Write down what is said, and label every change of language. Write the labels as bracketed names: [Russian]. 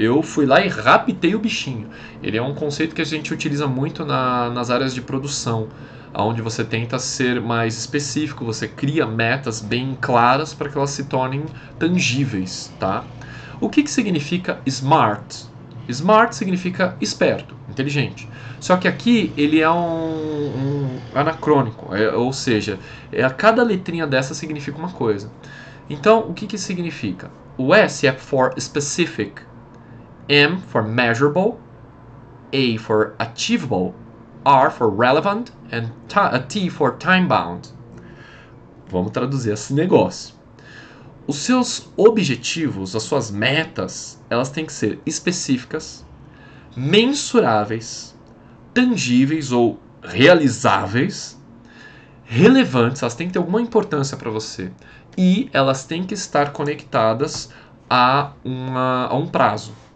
[Portuguese] Eu fui lá e raptei o bichinho. Ele é um conceito que a gente utiliza muito nas áreas de produção, onde você tenta ser mais específico, você cria metas bem claras para que elas se tornem tangíveis, tá? O que que significa Smart? Smart significa esperto, inteligente. Só que aqui ele é um anacrônico, ou seja, cada letrinha dessa significa uma coisa. Então, o que que significa? O S é [English] for specific, M for measurable, A for achievable, R for relevant and T for time bound. [Portuguese] Vamos traduzir esse negócio. Os seus objetivos, as suas metas, elas têm que ser específicas, mensuráveis, tangíveis ou realizáveis, relevantes, elas têm que ter alguma importância para você e elas têm que estar conectadas a um prazo.